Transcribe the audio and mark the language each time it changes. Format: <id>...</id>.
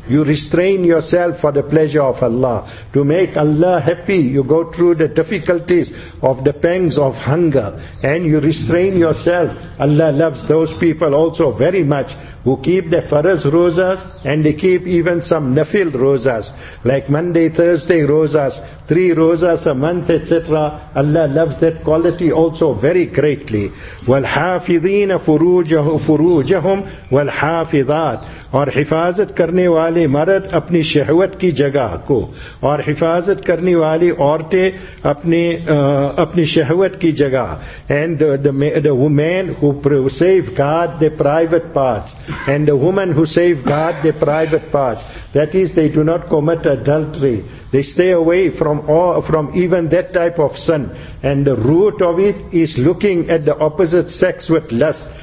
<en>You restrain yourself for the pleasure of Allah. To make Allah happy, you go through the difficulties of the pangs of hunger, and you restrain yourself. Allah loves those people also very much, who keep the farz rozas, and they keep even some nafil rozas, like Monday, Thursday rozas, three rozas a month, etc. Allah loves that quality also very greatly.</en> <ar>وَالْحَافِظِينَ فُرُوجَهُمْ وَالْحَافِظَاتِ</ar> <ur>اور حفاظت کرنے والے مرد اپنی شہوت کی جگہ کو, اور حفاظت کرنے والی عورتیں اپنی شہوت کی جگہ.</ur> <en>And the women who safeguard their private parts, and the women who safeguard their private parts, that is, they do not commit adultery. They stay away from even that type of sin. And the root of it is looking at the opposite sex with lust.</en>